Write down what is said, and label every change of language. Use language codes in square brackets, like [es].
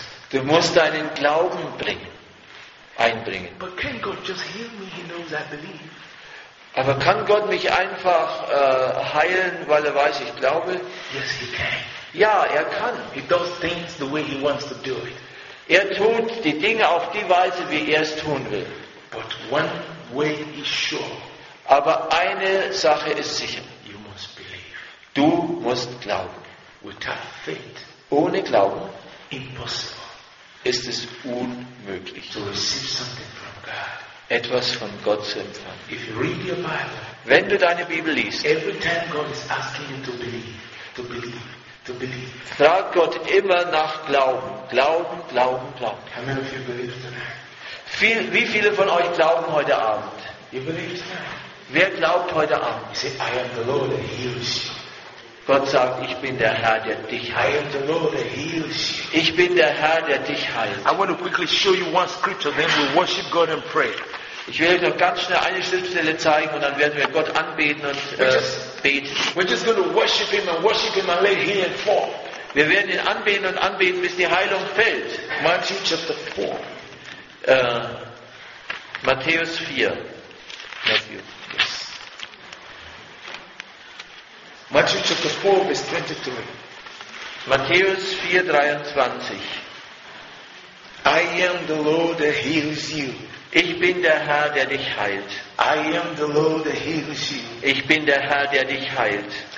[de] Du musst deinen Glauben bringen. Einbringen. [en] But can God just heal me? He knows I believe. [de] Aber kann Gott mich einfach heilen, weil er weiß, ich glaube? [en] Yes, he can. [de] Ja, er kann. [en] He does things the way he wants to do it. [de] Er tut die Dinge auf die Weise, wie er es tun will. [en] But one way is sure. [de] Aber eine Sache ist sicher. [en] You must believe. [de] Du musst glauben. [en] Without faith, [de] ohne Glauben [en] impossible. [de] Ist es unmöglich, [en] to receive something from God. [de] Etwas von Gott zu empfangen. [en] If you read your Bible, [de] wenn du deine Bibel liest, [en] every time God is asking you to believe, to believe, to believe. [de] Frag Gott immer nach Glauben. Glauben, Glauben, Glauben. [en] How many of you believe tonight? [de] Wie viele von euch glauben heute Abend? [en] You believe tonight? [de] Wer glaubt heute Abend? [en] You say, I am the Lord that heals you. [de] Gott sagt, ich bin der Herr, der dich heilt. [en] I am the Lord that heals you. [de] Ich bin der Herr, der dich heilt. [en] I want to quickly show you one scripture, then we'll worship God and pray. [de] Ich will euch noch ganz schnell eine Schriftstelle zeigen und dann werden wir Gott anbeten und beten. [en] We're just going to worship him and let healing fall. [de] Wir werden ihn anbeten und anbeten, bis die Heilung fällt. [en] Matthew chapter 4. [de] Matthäus 4. Matthew. [en] Matthew chapter 4, verse 23. [de] Matthäus 4, 23. [en] I am the Lord that heals you. [de] Ich bin der Herr, der dich heilt. [en] I am the Lord that heals you. [de] Ich bin der Herr, der dich heilt.